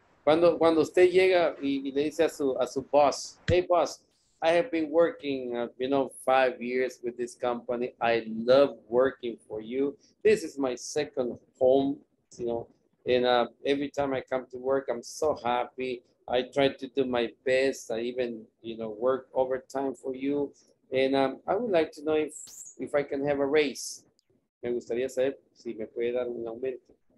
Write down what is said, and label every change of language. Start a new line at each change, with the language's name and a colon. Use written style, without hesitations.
Spanish: Cuando usted llega y le dice a su boss, hey boss.
English: I have been working, 5 years with this company. I love working for you. This is my second home, and every time I come to work, I'm so happy. I try to do my best. I even, work overtime for you. And I would like to know if I can have a raise.
Spanish: Me gustaría saber si me puede dar un aumento.